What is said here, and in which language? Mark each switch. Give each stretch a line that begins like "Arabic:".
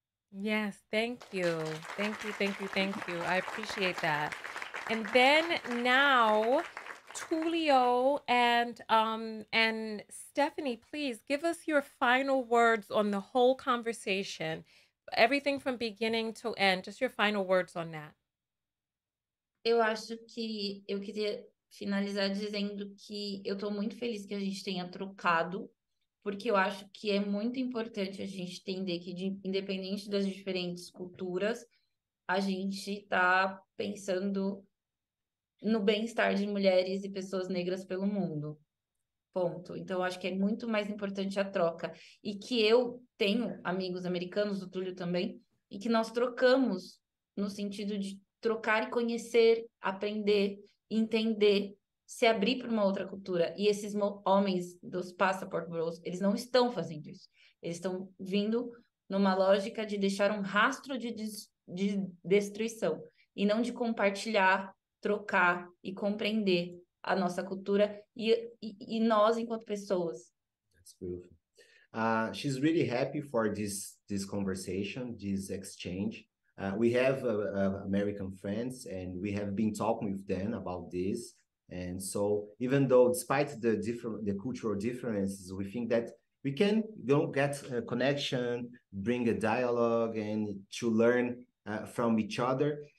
English: Yes, thank you. Thank you, thank you, thank you. I appreciate that. And then now, Tulio and Stephanie, please give us your final words on the whole conversation, everything from beginning to end, just your final words on that.
Portuguese: Eu acho que eu queria finalizar dizendo que eu estou muito feliz que a gente tenha trocado, porque eu acho que é muito importante a gente entender que, independente das diferentes culturas, a gente está pensando no bem-estar de mulheres e pessoas negras pelo mundo. Ponto. Então, acho que é muito mais importante a troca. E que eu tenho amigos americanos, o Túlio também, e que nós trocamos no sentido de trocar e conhecer, aprender, entender, se abrir para uma outra cultura. E esses homens dos Passport Bros, eles não estão fazendo isso. Eles estão vindo numa lógica de deixar um rastro de destruição e não de compartilhar, trocar e compreender a nossa cultura e nós enquanto pessoas.
English: That's beautiful. She's really happy for this conversation, this exchange. We have American friends, and we have been talking with them about this. And so, even though despite the cultural differences, we think that we can go get a connection, bring a dialogue, and to learn from each other.